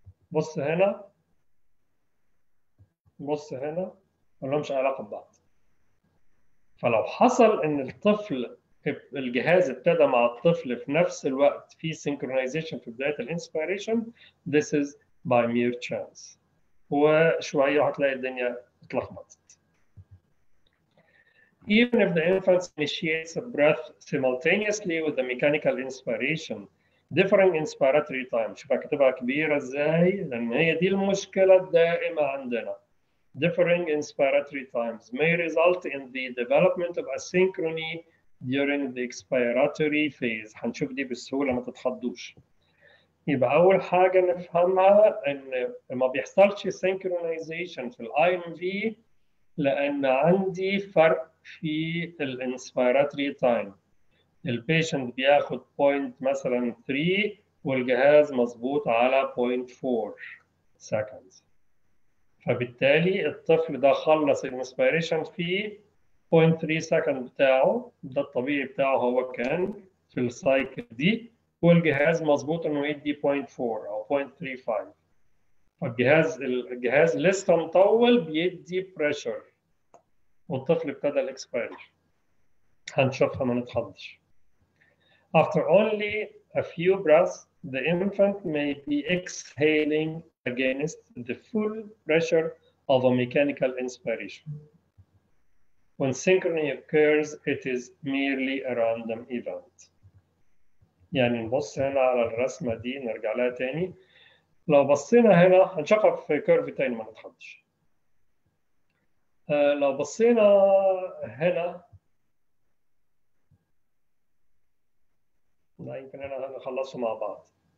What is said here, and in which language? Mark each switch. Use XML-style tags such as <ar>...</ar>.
<ar>بص هنا بص هنا ملهمش علاقه ببعض. فلو حصل ان الطفل الجهاز ابتدى مع الطفل في نفس الوقت في synchronization في بداية الانسبيريشن،</ar> <en>this is by mere chance،</en> <ar>وشوية هتلاقي الدنيا اتلخبطت.</ar> <en>Even if the infant initiates a breath simultaneously with the mechanical inspiration differing inspiratory times.</en> <ar>شوف كتبها كبيرة ازاي، لان هي دي المشكلة الدائمة عندنا.</ar> <en>Differing inspiratory times may result in the development of asynchrony during the expiratory phase.</en> <ar>هنشوف دي بسهولة ما تتخضوش. يبقى أول حاجة نفهمها إن ما بيحصلش synchronization في الIMV لأن عندي فرق في الانسبيراتري تايم. البيشنت بياخد بوينت مثلا 3 والجهاز مظبوط على بوينت 4 سكندز، فبالتالي الطفل ده خلص الانسبيريشن في بوينت 3 سكند بتاعه، ده الطبيعي بتاعه هو كان في السايكل دي، والجهاز مظبوط انه يدي بوينت 4 او بوينت 3.5. فالجهاز لسه مطول بيدي بريشر والطفل ابتدى الاكسبيريشن. هنشوفها ما نتحضش.</ar> <en>After only a few breaths, the infant may be exhaling against the full pressure of a mechanical inspiration. When synchrony occurs, it is merely a random event.</en> <ar>يعني نبص هنا على الرسمة دي، نرجع لها تاني. لو بصينا هنا هنشوف في كيرف تاني ما نتحضش. لو بصينا هنا لا يمكن أنا هنخلصه مع بعض.</ar>